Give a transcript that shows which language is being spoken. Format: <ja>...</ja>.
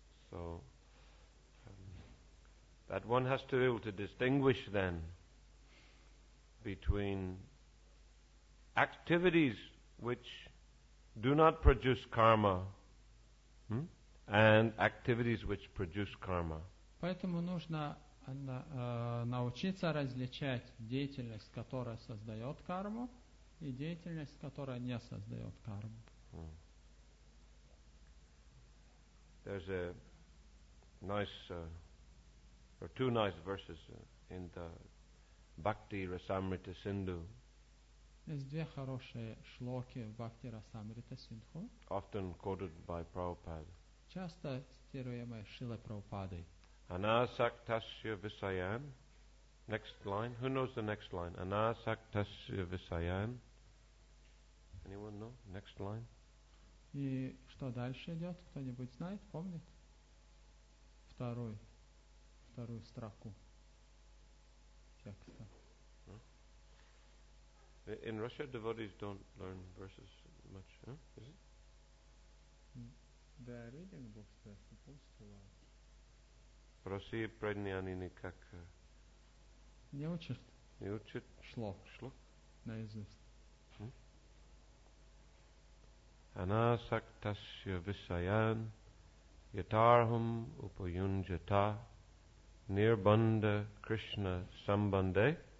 <en>So, that one has to be able to distinguish then between activities which do not produce karma and activities which produce karma.</en> <ru>Поэтому нужно научиться различать деятельность, которая создает карму, и деятельность, которая не создает карму.</ru> <en>There's a nice or two nice verses in the Bhakti Rasamrita Sindhu.</en> <ru>Есть две хорошие шлоки в Бхакти Расамрита Синдху.</ru> <en>Often quoted by Prabhupada.</en> <ru>Часто цитируемые Шрилой Прабхупадой.</ru> <sa>Anasaktasya Visayan.</sa> <en>Next line. Who knows the next line?</en> <sa>Anasaktasya Visayan.</sa> <en>Anyone know? Next line.</en> <ru>И что дальше идет? Кто-нибудь знает? Помнит? Вторую строку текста.</ru> <en>In Russia, devotees don't learn verses much, huh? Is it? They are reading books, they're supposed to learn.</en> <ru>Проси пред ней они никак не учат. Не учат. Шлок. Наизусть.</ru> <sa>Анасактасья висаян ятархам упаюнджата нирбанда Кришна самбанде.</sa>